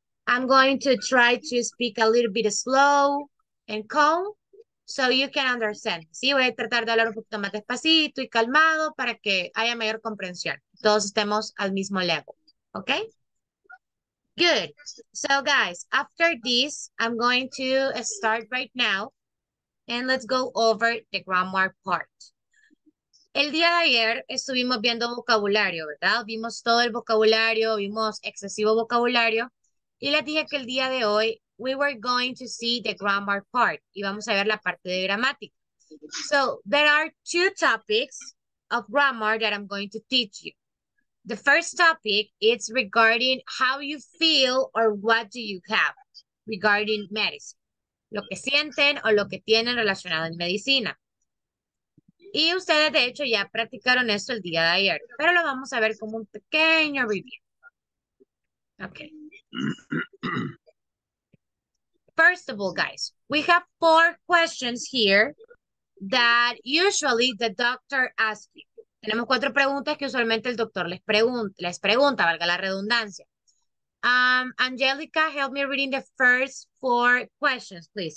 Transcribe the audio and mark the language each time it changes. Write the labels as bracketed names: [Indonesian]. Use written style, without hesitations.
[English] I'm going to try to speak a little bit slow and calm, so you can understand. [Spanish] Sí, voy a tratar de hablar un poquito más despacito y calmado para que haya mayor comprensión. Todos estemos al mismo level. [English] Okay? Good. So guys, after this, I'm going to start right now and let's go over the grammar part. [Spanish] El día de ayer estuvimos viendo vocabulario, ¿verdad? Vimos todo el vocabulario, vimos excesivo vocabulario y les dije que el día de hoy [English] we were going to see the grammar part. [Spanish] Y vamos a ver la parte de gramática. [English] So, there are two topics of grammar that I'm going to teach you. The first topic is regarding how you feel or what do you have regarding medicine. [Spanish] Lo que sienten o lo que tienen relacionado en medicina. Y ustedes, de hecho, ya practicaron esto el día de ayer. Pero lo vamos a ver como un pequeño review. [English] Okay. First of all, guys, we have four questions here that usually the doctor asks you. [Spanish] Tenemos cuatro preguntas que usualmente el doctor les pregunta, valga la redundancia. [English] Angelica, help me reading the first four questions, please.